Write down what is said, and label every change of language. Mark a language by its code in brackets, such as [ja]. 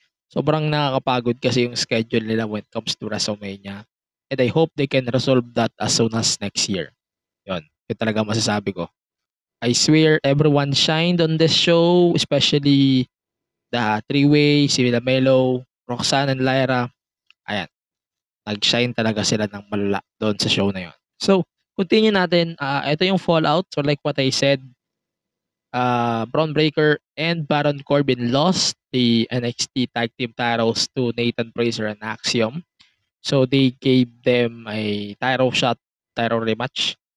[tl] Sobrang nakakapagod kasi yung schedule nila [en] when it comes to WrestleMania. And I hope they can resolve that as soon as next year. [tl] Yun. Yun talaga masasabi ko. [en] I swear everyone shined on this show, especially the three-way, si Lamelo, Roxanne, and Lyra. [tl] Ayan. Nag-shine talaga sila ng malala doon sa show na yun. So, continue natin. Ito yung fallout. [en] So, like what I said, Bron Breakker and Baron Corbin lost the NXT Tag Team titles to Nathan Fraser and Axiom. So, they gave them a title shot, title rematch.